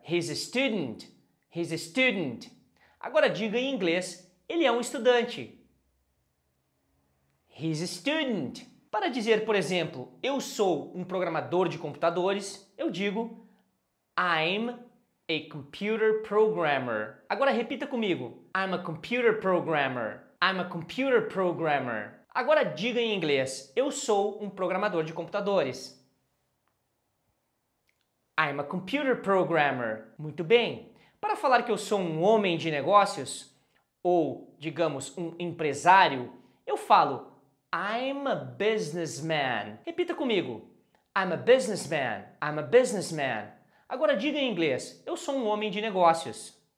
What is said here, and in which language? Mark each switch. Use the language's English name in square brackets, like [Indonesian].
[English] He's a student. He's a student. [Portuguese] Agora diga em inglês, ele é um estudante. [English] He's a student. [Portuguese] Para dizer, por exemplo, eu sou um programador de computadores, eu digo [English] I'm a computer programmer. [Portuguese] Agora repita comigo. [English] I'm a computer programmer. I'm a computer programmer. [Portuguese] Agora diga em inglês. Eu sou um programador de computadores. [English] I'm a computer programmer. [Portuguese] Muito bem. Para falar que eu sou um homem de negócios, ou, digamos, um empresário, eu falo [English] I'm a businessman. [Portuguese] Repita comigo. [English] I'm a businessman. I'm a businessman. [Portuguese] Agora diga em inglês. Eu sou um homem de negócios.